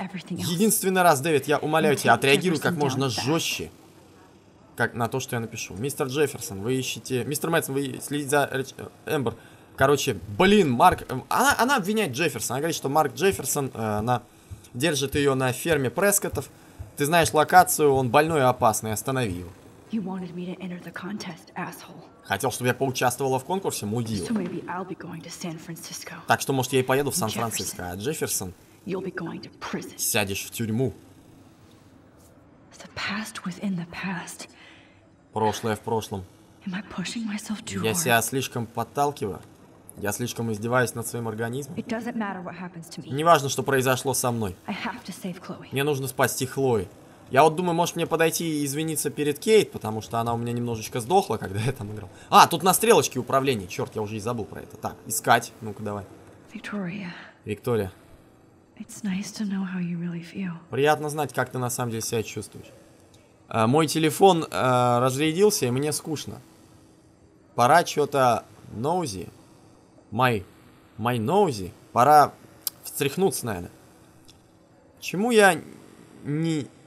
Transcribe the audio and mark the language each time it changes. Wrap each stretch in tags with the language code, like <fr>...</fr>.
<ru>Единственный раз, Дэвид, я умоляю тебя, отреагируй как можно жестче. Как на то, что я напишу. Мистер Джефферсон, вы ищете... Мистер Мэтсон, вы следите за Эмбер. Короче, блин, Марк... Она обвиняет Джефферсон. Она говорит, что Марк Джефферсон она держит ее на ферме Прескоттов. Ты знаешь локацию, он больной и опасный. Останови его.</ru> <en>You wanted me to enter the contest, asshole.</en> <ru>Хотел, чтобы я поучаствовала в конкурсе, мудил.</ru> <en>So maybe I'll be going to San Francisco.</en> <ru>Так что, может, я и поеду в Сан-Франциско, а Джефферсон...</ru> <en>You'll be going to prison.</en> <ru>Сядешь в тюрьму.</ru> <en>The past was in the past.</en> <ru>Прошлое в прошлом.</ru> <en>Am I pushing myself too hard?</en> <ru>Я себя слишком подталкиваю? Я слишком издеваюсь над своим организмом?</ru> <en>It doesn't matter what happens to me.</en> <ru>Не важно, что произошло со мной.</ru> <en>I have to save Chloe.</en> <ru>Мне нужно спасти Хлои. Я вот думаю, может мне подойти и извиниться перед Кейт, потому что она у меня немножечко сдохла, когда я там играл. А, тут на стрелочке управление. Черт, я уже и забыл про это. Так, искать. Ну-ка, давай. Виктория. Виктория.</ru> <en>It's nice to know how you really feel.</en> <ru>Приятно знать, как ты на самом деле себя чувствуешь. Мой телефон разрядился, и мне скучно. Пора что-то ноузи. Май ноузи. Пора встряхнуться, наверное. Чему я не...</ru>